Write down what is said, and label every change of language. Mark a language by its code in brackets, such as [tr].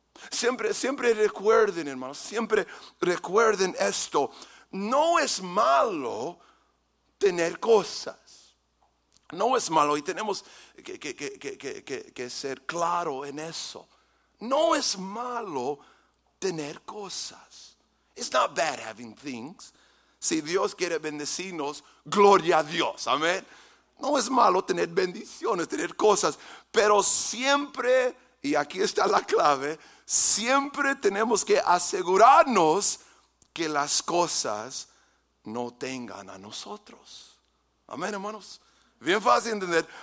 [es] Siempre recuerden, hermanos, siempre recuerden esto. No es malo tener cosas. No es malo, y tenemos que ser claro en eso. No es malo tener cosas. [en] It's not bad having things. [es] Si Dios quiere bendecirnos, gloria a Dios, amén. No es malo tener bendiciones, tener cosas, pero siempre, y aquí está la clave, siempre tenemos que asegurarnos que las cosas no tengan a nosotros. Amén, hermanos. Bien fácil de entender.